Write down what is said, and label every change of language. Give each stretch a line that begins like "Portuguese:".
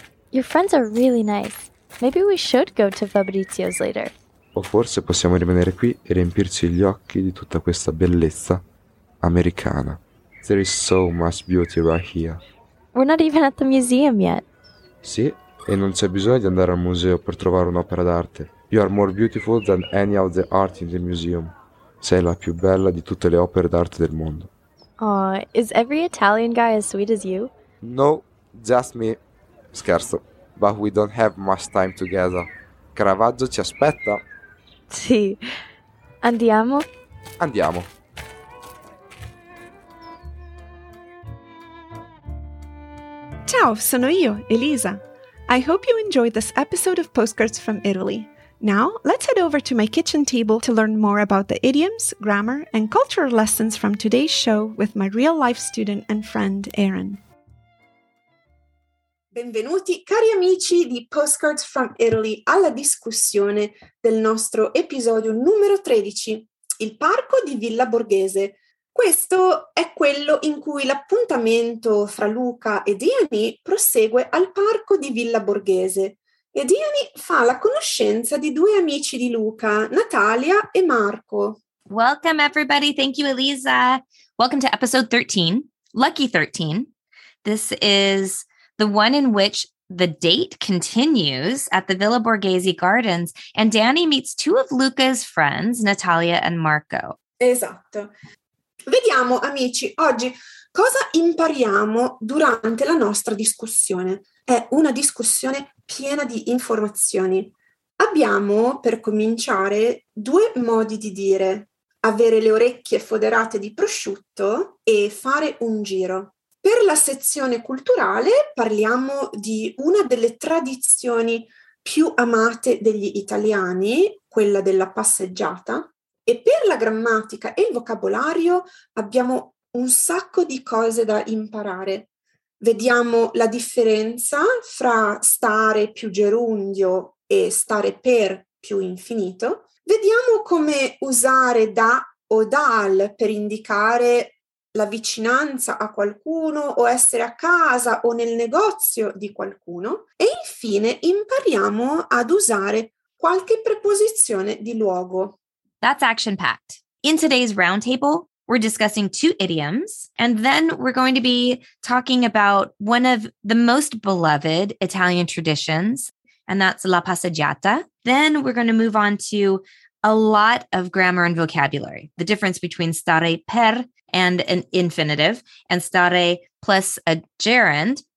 English: Your friends are really nice. Maybe we should go to Fabrizio's later.
Italian: O forse possiamo rimanere qui e riempirci gli occhi di tutta questa bellezza americana.
English: There is so much beauty right here. We're not even at the museum yet.
Italian: Sì, e non c'è bisogno di andare al museo per trovare un'opera d'arte.
English: You are more beautiful than any of the art in the museum.
Italian: Sei la più bella di tutte le opere d'arte del mondo.
English: Aw, is every Italian guy as sweet as you? No, just me.
Italian: Scherzo,
English: but we don't have much time together.
Italian: Caravaggio ci aspetta. Sì. Andiamo? Andiamo. Ciao, sono io, Elisa.
English: I hope you enjoyed this episode of Postcards from Italy. Now, let's head over to my kitchen table to learn more about the idioms, grammar, and cultural lessons from today's show with my real-life student and friend, Erin.
Italian: Benvenuti, cari amici di Postcards from Italy, alla discussione del nostro episodio numero 13, il parco di Villa Borghese. Questo è quello in cui l'appuntamento fra Luca e Diani prosegue al parco di Villa Borghese. E Diani fa la conoscenza di due amici di Luca, Natalia e Marco.
English: Welcome everybody, thank you Elisa. Welcome to episode 13, lucky 13. This is the one in which the date continues at the Villa Borghese Gardens and Diani meets two of Luca's friends, Natalia and Marco.
Italian: Esatto. Vediamo amici, oggi cosa impariamo durante la nostra discussione. È una discussione piena di informazioni. Abbiamo, per cominciare, due modi di dire. Avere le orecchie foderate di prosciutto e fare un giro. Per la sezione culturale parliamo di una delle tradizioni più amate degli italiani, quella della passeggiata. E per la grammatica e il vocabolario abbiamo un sacco di cose da imparare. Vediamo la differenza fra stare più gerundio e stare per più infinito. Vediamo come usare da o dal per indicare la vicinanza a qualcuno o essere a casa o nel negozio di qualcuno. E infine impariamo ad usare qualche preposizione di luogo.
English: That's action packed. In today's roundtable, we're discussing two idioms, and then we're going to be talking about one of the most beloved Italian traditions, and that's la passeggiata. Then we're going to move on to a lot of grammar and vocabulary, the difference between stare per and an infinitive, and stare plus a gerund.